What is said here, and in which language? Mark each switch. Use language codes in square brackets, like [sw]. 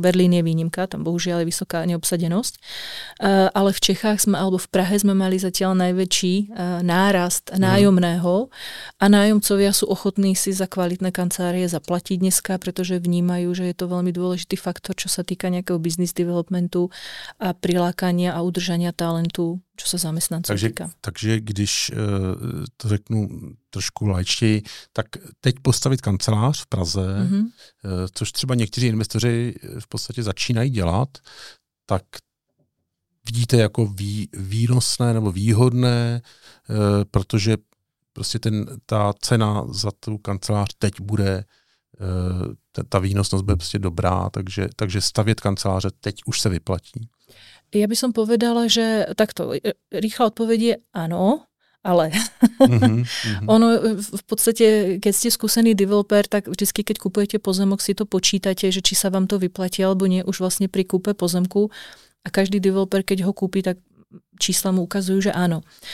[sk] Berlín je výnimka, tam bohužiaľ je vysoká neobsadenosť. Ale v Čechách sme, alebo v Prahe sme mali zatiaľ najväčší nárast nájomného a nájomcovia sú ochotní si za kvalitné kancelárie zaplatiť dneska, pretože vnímajú, že je to veľmi dôležitý faktor, čo sa týka nejakého business developmentu a prilákania a udržania talentu, čo sa zamestnancov týka. [cs] Takže když to řeknu trošku lajčtěji, tak teď postavit kancelář v Praze, což třeba někteří investoři v podstatě začínají dělat, tak vidíte jako výnosné nebo výhodné, protože prostě ta cena za tu kancelář teď bude, ta výnosnost bude prostě dobrá, takže stavět kanceláře teď už se vyplatí. [sk] Ja by som povedala, že takto, rýchla odpoveď je áno, ale ono v podstate, keď ste skúsený developer, tak vždy, keď kupujete pozemok, si to počítate, že či sa vám to vyplatí alebo nie, už vlastne pri kúpe pozemku a každý developer, keď ho kúpi, tak čísla mu ukazujú, že áno.